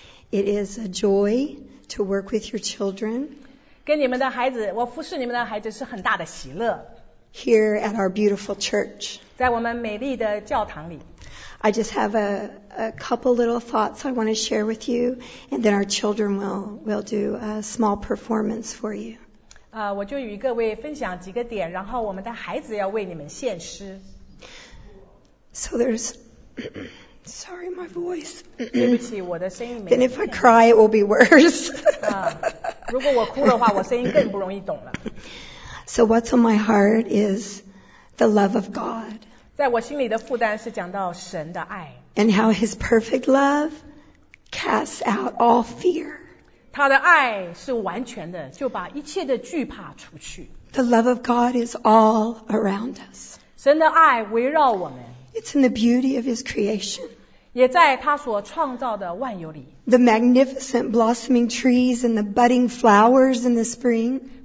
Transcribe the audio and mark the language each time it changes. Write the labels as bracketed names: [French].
[English] It is a joy to work with your children. [Chinese] 跟你们的孩子, 我服侍你们的孩子是很大的喜乐. [English] Here at our beautiful church. [Chinese] 在我们美丽的教堂里。 [English] I just have a couple little thoughts I want to share with you, and then our children will do a small performance for you. [Chinese] 我就与各位分享几个点, 然后我们的孩子要为你们献诗。 [English] So there's... Sorry, my voice. [Chinese] 对不起, 我的声音没有, [English] then if I cry, it will be worse. [Chinese] 如果我哭的话, 我声音更不容易懂了。 [English] So what's on my heart is the love of God. [Chinese] 在我心里的负担是讲到神的爱。 [English] And how his perfect love casts out all fear. [Chinese] 他的爱是完全的,就把一切的惧怕除去。 [English] The love of God is all around us. [Chinese] 神的爱围绕我们。 [English] It's in the beauty of his creation. [Chinese] 也在他所创造的万有里。 [English] The magnificent blossoming trees and the budding flowers in the spring.